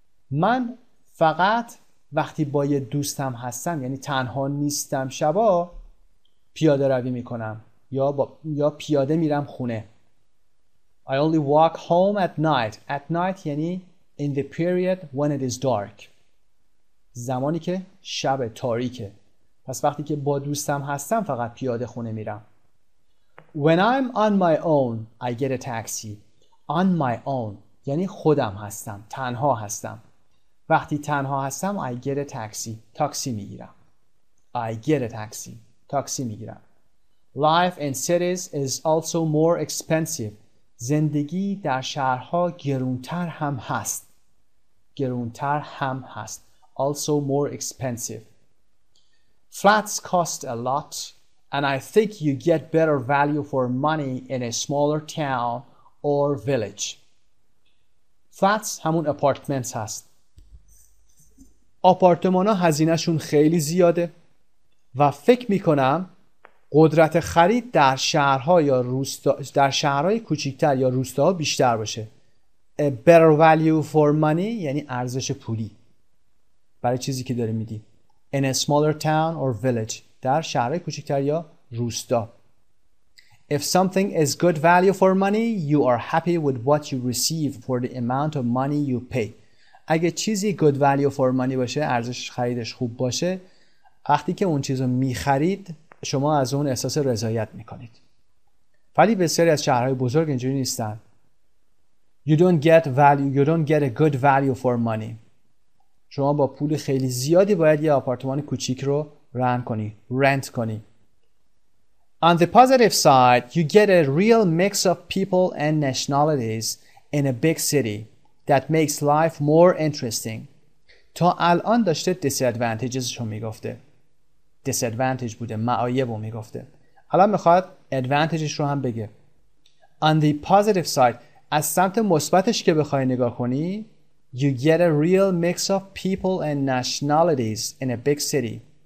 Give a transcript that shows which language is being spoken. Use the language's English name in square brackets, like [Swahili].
[Persian] من فقط وقتی با یه دوستم هستم، یعنی تنها نیستم، شبا پیاده روی میکنم یا پیاده میرم خونه. [English] I only walk home at night. At night [Persian] یعنی [English] in the period when it is dark. [Persian] زمانی که شب تاریکه. پس وقتی که با دوستم هستم فقط پیاده خونه میرم. [English] When I'm on my own I get a taxi. On my own [Persian] یعنی خودم هستم، تنها هستم. وقتی تنها هستم [English] I get a taxi، [Persian] تاکسی میگیرم. [English] I get a taxi، [Persian] تاکسی میگیرم. [English] Life in cities is also more expensive. [Persian] زندگی در شهرها گرونتر هم هست. گرونتر هم هست. [English] Also more expensive. Flats cost a lot and I think you get better value for money in a smaller town or village. [Persian] Flats همون apartments هست. آپارتمان ها هزینه شون خیلی زیاده و فکر میکنم قدرت خرید در شهرهای کوچیکتر یا روستاها بیشتر باشه. [English] better value for money [Persian] یعنی ارزش پولی برای چیزی که داری میدی. [English] In a smaller town or village [Persian] در شهرهای کوچکتر یا روستا. [English] If something is good value for money, you are happy with what you receive for the amount of money you pay. [Persian] اگه چیزی [English] good value for money [Persian] باشه، ارزش خریدش خوب باشه، وقتی که اون چیزو میخرید شما از اون احساس رضایت میکنید. ولی بسیاری از شهرهای بزرگ اینجوری نیستن. [English] You don't get a good value for money. [Persian] شما با پول خیلی زیادی باید یه آپارتمان کوچیک رو rent کنی. [English] On the positive side, you get a real mix of people and nationalities in a big city that makes life more interesting. [Persian] تا الان داشته disadvantages شو میگفته. Disadvantage بوده، معایب رو میگفته. الان میخواد advantages رو هم بگه. [English] On the positive side, [Persian] از سمت مثبتش که بخوای نگاه کنی، [English] you get a real mix of people and nationalities in a big city.